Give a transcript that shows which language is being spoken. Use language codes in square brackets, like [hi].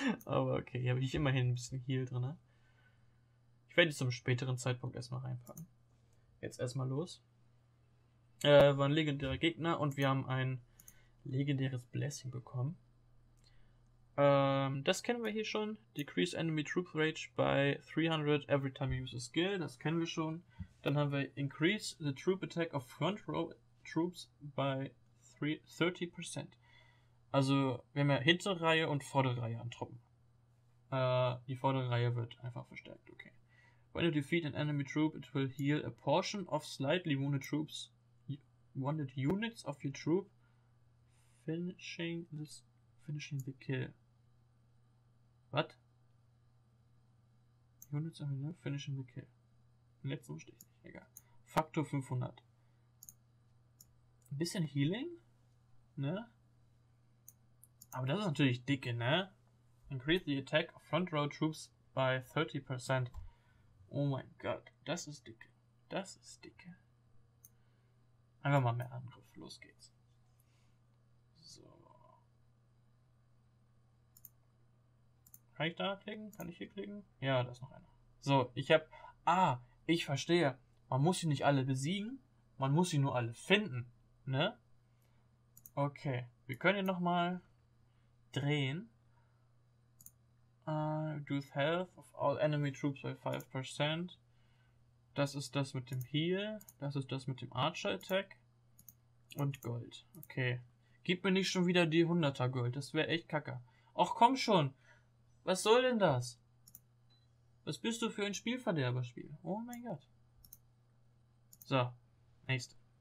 [de] Aber okay, hier habe ich immerhin ein bisschen Heal drin. Ich werde die zum späteren Zeitpunkt erstmal reinpacken. Jetzt erstmal los. War ein legendärer Gegner und wir haben ein legendäres Blessing bekommen. Das kennen wir hier schon. [en] Decrease Enemy Troop Rage by 300 every time you use a skill. [de] Das kennen wir schon. Dann haben wir [en] Increase the Troop Attack of Front Row Troops [de] bei 30%. Also, wir haben ja hintere Reihe und vordere Reihe an Truppen. Die vordere Reihe wird einfach verstärkt, okay. [en] When you defeat an enemy troop, it will heal a portion of slightly wounded troops. Wounded units of your troop. Finishing the kill. What? Units of your finishing the kill. [de] Im letzten Stich nicht, egal. Faktor 500. Ein bisschen Healing, ne? Aber das ist natürlich dicke, ne? [en] Increase the attack of front row troops by 30%. [de] Oh mein Gott, das ist dicke. Das ist dicke. Einfach mal mehr Angriff. Los geht's. So. Kann ich da klicken? Kann ich hier klicken? Ja, da ist noch einer. So, ich hab. Ah, ich verstehe. Man muss sie nicht alle besiegen. Man muss sie nur alle finden. Ne? Okay, wir können hier nochmal drehen. [en] Reduce Health of all enemy troops by 5%. [de] Das ist das mit dem Heal. Das ist das mit dem Archer Attack. Und Gold. Okay. Gib mir nicht schon wieder die 100er Gold. Das wäre echt kacke. Och, komm schon. Was soll denn das? Was bist du für ein Spielverderberspiel? Oh mein Gott. So. Nächste.